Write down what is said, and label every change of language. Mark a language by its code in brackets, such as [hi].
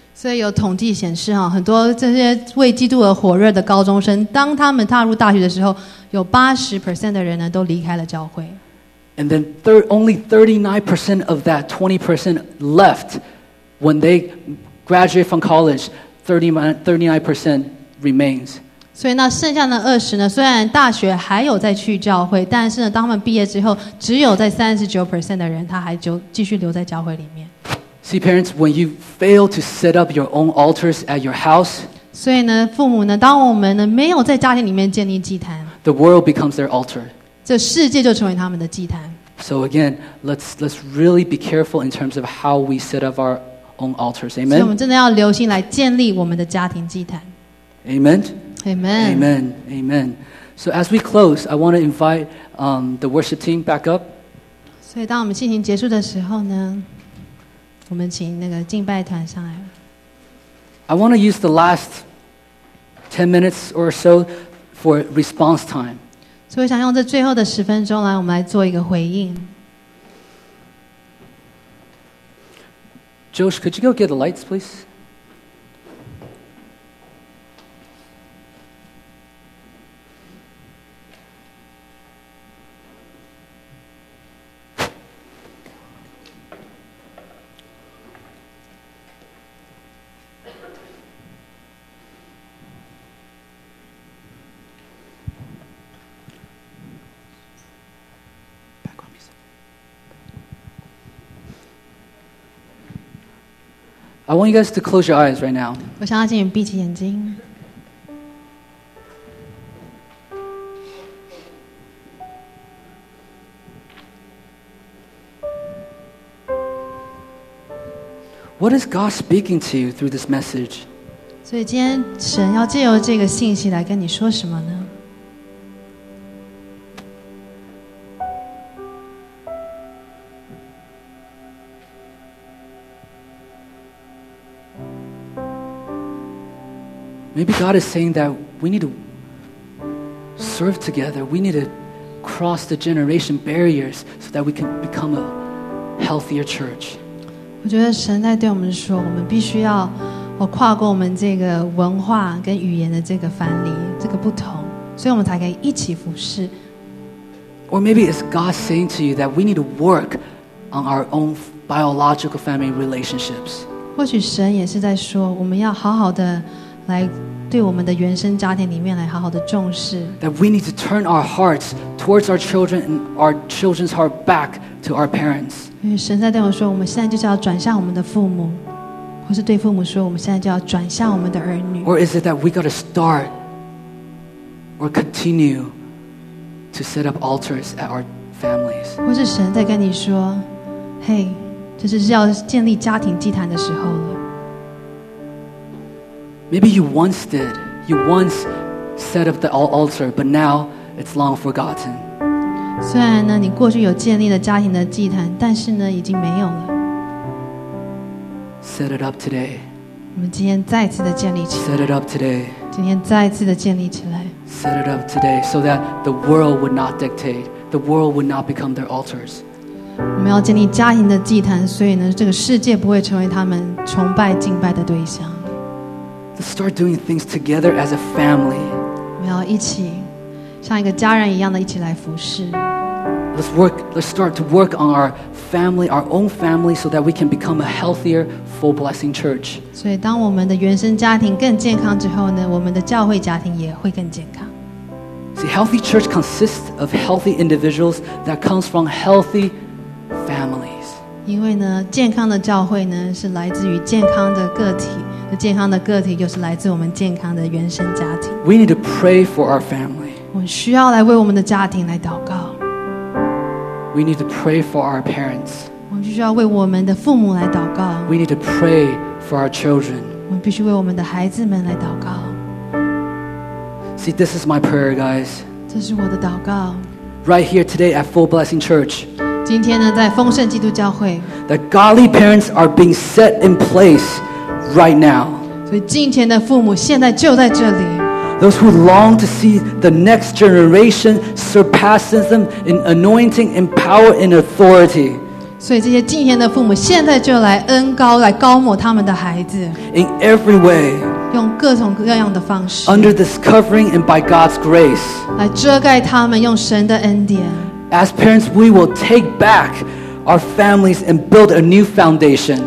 [zh] 所以有统计显示，很多这些为基督而火热的高中生，当他们踏入大学的时候，有 80% 的人呢都离开了教会。 [en] And then only 39% of that 20% left when they graduate from college. 39% remains. [zh] 所以那剩下的20呢，虽然大学还有在去教会，但是呢当他们毕业之后，只有在 39% 的人他还继续留在教会里面。 [en] See parents, when you fail to set up your own altars at your house, [zh] 所以呢父母呢当我们呢没有在家庭里面建立祭坛， [en] The world becomes their altar. [zh] 这世界就成为他们的祭坛。 [en] So again, let's really be careful in terms of how we set up our own altars. Amen. [zh] 所以我们真的要留心来建立我们的家庭祭坛。 [en] Amen Amen. Amen. Amen. So as we close, I want to invite the worship team back up. [zh] 所以当我们进行结束的时候呢，我们请那个敬拜团上来。 [en] I want to use the last 10 minutes or so for response time. [zh] 所以我想用这最后的十分钟来，我们来做一个回应。 [en] Josh, could you go get the lights, please? I want you guys to close your eyes right now. [zh] 我想要请你闭起眼睛。 [en] What is God speaking to you through this message? [zh] 所以今天神要借由这个信息来跟你说什么呢？ [en] Maybe God is saying that we need to serve together. We need to cross the generation barriers so that we can become a healthier church. [zh] 我觉得神在对我们说，我们必须要跨过我们这个文化跟语言的这个藩篱，这个不同，所以我们才可以一起服侍。 [en] Or maybe it's God saying to you that we need to work on our own biological family relationships. [zh] 或许神也是在说，我们要好好的来对我们的原生家庭里面来好好的重视。 [en] That we need to turn our hearts towards our children and our children's heart back to our parents. [zh] 因为神在对我说，我们现在就是要转向我们的父母，或是对父母说，我们现在就要转向我们的儿女。 [en] Or is it that we got to start or continue to set up altars at our families? [zh] 或是神在跟你说，嘿，这是要建立家庭祭坛的时候了。 [en] Maybe you once did. You once set up the altar, but now it's long forgotten. [zh] 虽然呢，你过去有建立了家庭的祭坛，但是呢，已经没有了。 [en] Set it up today. [zh] 我们今天再次的建立起来。 [en] Set it up today. [zh] 今天再次的建立起来。 [en] Set it up today, so that the world would not dictate. The world would not become their altars. [zh] 我们要建立家庭的祭坛，所以呢，这个世界不会成为他们崇拜敬拜的对象。 [en] Let's start doing things together as a family. [zh] 我们要一起像一个家人一样的一起来服侍。 [en] Let's start to work on our family, our own family, so that we can become a healthier, full blessing church. [zh] 所以当我们的原生家庭更健康之后呢，我们的教会家庭也会更健康。 [en] See, healthy church consists of healthy individuals that comes from healthy families. [zh] 因为呢，健康的教会呢，是来自于健康的个体。健康的个体就是来自我们健康的原生家庭。 [en] We need to pray for our family. [zh] 我们需要来为我们的家庭来祷告。 [en] We need to pray for our parents. [zh] 我们必须要为我们的父母来祷告。 [en] We need to pray for our children. [zh] 我们必须为我们的孩子们来祷告。 [en] See, this is my prayer, guys. [zh] 这是我的祷告。 [en] Right here today at Full Blessing Church. [zh] 今天呢，在丰盛基督教会。 [en] That godly parents are being set in place. Right now, [zh] 所以敬虔的父母现在就在这里。 [en] Those who long to see the next generation surpasses them in anointing, in power, in authority. [zh] 所以这些敬虔的父母现在就来恩高来高抹他们的孩子。 [en] In every way, [zh] 用各种各样的方式。 [en] Under this covering and by God's grace, [zh] 来遮盖他们用神的恩典。 [en] As parents, we will take back. Our families and build a new foundation.